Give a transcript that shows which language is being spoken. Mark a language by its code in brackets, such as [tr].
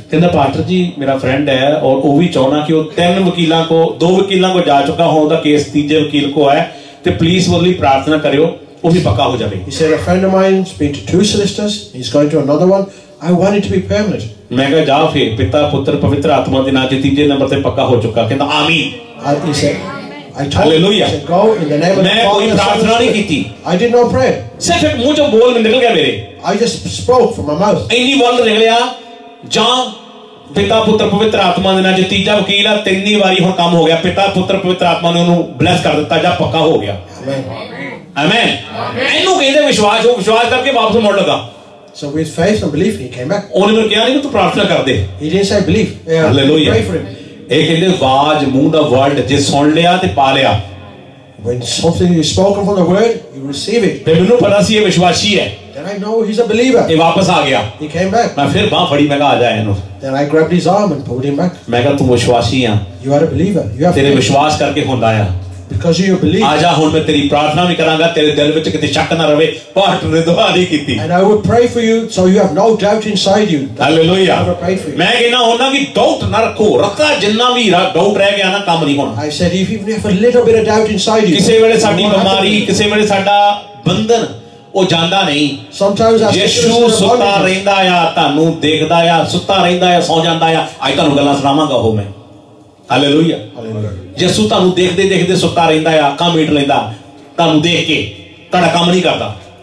[pa] ਕਿੰਨਾ ਪਾਸਟਰ ਜੀ ਮੇਰਾ ਫਰੈਂਡ ਹੈ ਔਰ ਉਹ ਵੀ ਚਾਹਣਾ ਕਿ ਉਹ ਤਿੰਨ ਵਕੀਲਾਂ ਕੋ ਦੋ ਵਕੀਲਾਂ ਕੋ ਜਾ ਚੁੱਕਾ ਹੋਂ ਦਾ ਕੇਸ ਤੀਜੇ ਵਕੀਲ ਕੋ ਆਇਆ ਤੇ ਪਲੀਜ਼ ਉਹਦੇ ਲਈ ਪ੍ਰਾਰਥਨਾ ਕਰਿਓ ਉਹ ਵੀ ਪੱਕਾ ਹੋ ਜਾਵੇ. [en] He said a friend of mine speak to to solicitors he is going to another one I want it to be permanent. [pa] ਮੈਂ ਕਿਹਾ ਜਾ ਫੇ ਪਿਤਾ ਪੁੱਤਰ ਪਵਿੱਤਰ ਆਤਮਾ ਦੇ ਨਾਂ ਤੇ ਤੀਜੇ ਨੰਬਰ ਤੇ ਪੱਕਾ ਹੋ ਚੁੱਕਾ. ਕਹਿੰਦਾ ਆਮੀਨ. [en] He said I told Hallelujah. Him, go in the name of the Father. I did not pray. I just spoke from my mouth. [pa] ਪਿਤਾ ਪੁੱਤਰ ਪਵਿੱਤਰ ਆਤਮਾ ਦੇ ਨਾਲ ਜੇ ਤੀਜਾ ਵਕੀਲ ਆ ਤਿੰਨੀ ਵਾਰੀ ਹੁਣ ਕੰਮ ਹੋ ਗਿਆ. ਪਿਤਾ ਪੁੱਤਰ ਪਵਿੱਤਰ ਆਤਮਾ ਨੇ ਉਹਨੂੰ ਬਲੈਸ ਕਰ ਦਿੱਤਾ ਜਾਂ ਪੱਕਾ ਹੋ ਗਿਆ. ਆਮੇਨ. ਇਹਨੂੰ ਕਹਿੰਦੇ ਵਿਸ਼ਵਾਸ. ਉਹ ਵਿਸ਼ਵਾਸ ਕਰਕੇ ਵਾਪਸ ਮੁੜ ਲਗਾ. [en] So with faith and belief he came back. [pa] ਉਹਨੇ ਮੈਨੂੰ ਕਿਹਾ ਨਹੀਂ ਤੂੰ ਪ੍ਰਾਰਥਨਾ ਕਰਦੇ. [en] He didn't say believe. Hallelujah. [pa] ਇਹ ਕਹਿੰਦੇ ਵਾਜ ਮੂੰਹ ਦਾ ਵਰਡ ਜੇ ਸੁਣ ਲਿਆ ਤੇ ਪਾ ਲਿਆ. [en] When something is spoken from the word you receive it. [pa] ਤੇ ਮੈਨੂੰ ਪਤਾ ਸੀ ਇਹ ਵਿਸ਼ਵਾਸੀ ਹੈ. [en] Then I know he's a believer. [pa] ਇਹ ਵਾਪਸ ਆ ਗਿਆ. [en] He came back. [pa] ਮੈਂ ਫਿਰ ਬਾਹ ਫੜੀ ਮੈਂ ਕਿਹਾ ਆ ਜਾ ਇਹਨੂੰ. [en] Then I grabbed his arm and pulled him back. [pa] ਮੈਂ ਕਿਹਾ ਤੂੰ ਵਿਸ਼ਵਾਸੀ ਆ. [en] You are a believer. You have [pa] ਤੇਰੇ ਵਿਸ਼ਵਾਸ ਕਰਕੇ ਹੁੰਦਾ ਆ. [en] Because you believe. [pa] ਆ ਜਾ ਹੁਣ ਮੈਂ ਤੇਰੀ ਪ੍ਰਾਰਥਨਾ ਵੀ ਕਰਾਂਗਾ ਤੇਰੇ ਦਿਲ ਵਿੱਚ ਕਿਤੇ ਸ਼ੱਕ ਨਾ ਰਵੇ. ਬਾਹਰ ਤੂੰ ਦੁਆ ਨਹੀਂ ਕੀਤੀ. [en] And I would pray for you so you have no doubt inside you. [pa] Hallelujah. ਮੈਂ ਕਹਿੰਦਾ ਹੁਣ ਨਾ ਵੀ ਡਾਊਟ ਨਾ ਰੱਖੋ. ਰੱਖਾ ਜਿੰਨਾ ਵੀ ਡਾਊਟ ਰਹਿ ਗਿਆ ਨਾ ਕੰਮ ਨਹੀਂ ਹੋਣਾ. [en] I said if you have a little bit of doubt inside you. [pa] ਕਿਸੇ ਵੇਲੇ ਸਾਡੀ ਬਿਮਾਰੀ ਕਿਸੇ ਵੇਲੇ ਸਾਡਾ ਬੰਧਨ ਉਹ ਜਾਂਦਾ ਨਹੀਂ. [en] Sometimes as [pa] ਯਿਸੂ ਸੁੱਤਾ ਰਹਿੰਦਾ ਆ ਤੁਹਾਨੂੰ ਦੇਖਦਾ ਆ ਸੁੱਤਾ ਰਹਿੰਦਾ ਆ ਸੌ ਜਾਂਦਾ ਆ. ਅੱਜ ਤੁਹਾਨੂੰ ਗੱਲਾਂ ਸੁਣਾਵਾਂਗਾ ਉਹ ਮੈਂ. Hallelujah. ਯਿਸੂ ਤੁਹਾਨੂੰ ਦੇਖਦੇ ਦੇਖਦੇ ਸੁੱਤਾ ਰਹਿੰਦਾ ਆ ਅੱਖਾਂ ਮੀਟ ਲੈਂਦਾ ਤੁਹਾਨੂੰ ਦੇਖ ਕੇ ਤੁਹਾਡਾ ਕੰਮ ਨਹੀਂ ਕਰਦਾ.